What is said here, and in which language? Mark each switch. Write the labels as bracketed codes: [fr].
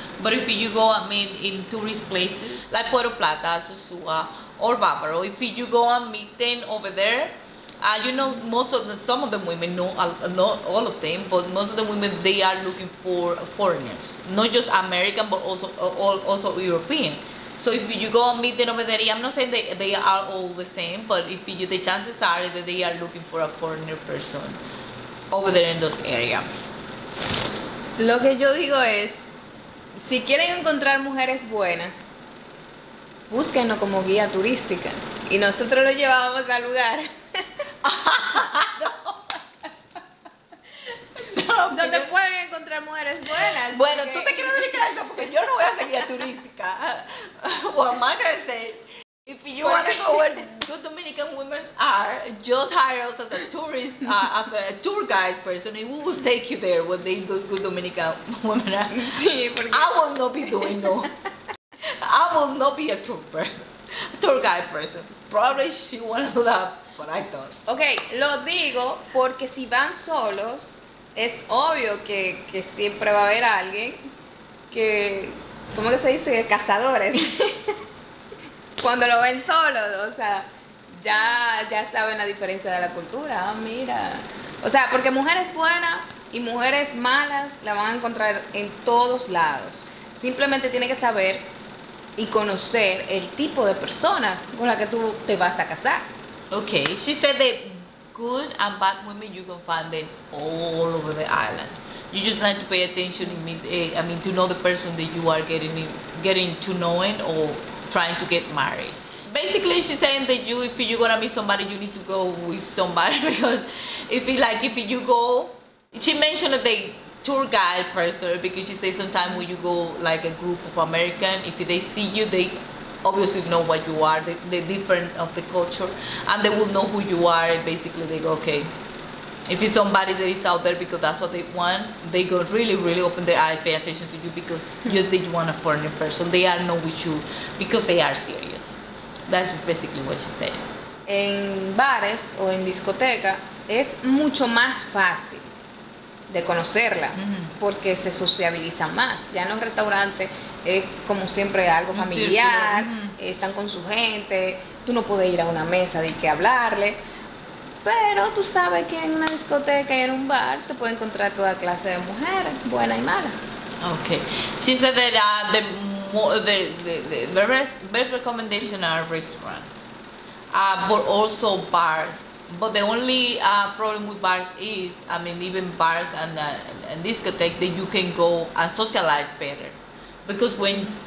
[en] But if you go, I mean, in tourist places like Puerto Plata, Sosúa, or Bávaro, if you go and meet them over there, you know, most of the women, they are looking for foreigners, not just American, but also European. So if you go and meet them over there, I'm not saying they are all the same, but if you, the chances are that they are looking for a foreigner person over there in those areas. [es] Lo que yo digo es, si quieren encontrar mujeres buenas, búsquenlo como guía turística. Y nosotros lo llevamos al lugar. ¿Dónde pueden encontrar mujeres buenas? Bueno, porque tú te quieres dedicar a eso porque yo no voy a ser guía turística. [en] Well, Margaret said, if you want to go where good Dominican women are, just hire us as a tourist, a tour guide person, and we will take you there where they, those good Dominican women are. [es] Sí, [en] I will not be doing no. I will not be a tour person, a tour guide person. Probably she want to do that, but I don't. [es] Okay, lo digo porque si van solos, es obvio que siempre va a haber alguien que, ¿cómo que se dice? Cazadores. Cuando lo ven solo, o sea, ya saben la diferencia de la cultura. Ah, mira. O sea, porque mujeres buenas y mujeres malas la van a encontrar en todos lados. Simplemente tiene que saber y conocer el tipo de persona con la que tú te vas a casar. [en] Ok, she said that good and bad women, you can find them all over the island. You just need to pay attention, to know the person that you are getting to knowing or trying to get married. Basically, she's saying that you, if you're gonna meet somebody, you need to go with somebody, because if you go, she mentioned that the tour guide person, because she says sometimes when you go like a group of American, if they see you, they obviously know what you are, the different of the culture, and they will know who you are, and basically they go, okay, if it's somebody that is out there because that's what they want, they go really, really open their eyes, pay attention to you, because you think you want a foreign person, they are not with you because they are serious. That's basically what she said. [es] En bares o en discoteca es mucho más fácil de conocerla, mm-hmm. porque se sociabiliza más. Ya en los restaurantes es como siempre algo familiar, mm-hmm. están con su gente, tú no puedes ir a una mesa de que hablarle. Pero tú sabes que en una discoteca y en un bar te puedes encontrar toda clase de mujeres, buena y mala. [en] Okay. She said that the best recommendation are restaurants, but also bars. But the only problem with bars is, I mean, even bars and discotheque, that you can go and socialize better. Because when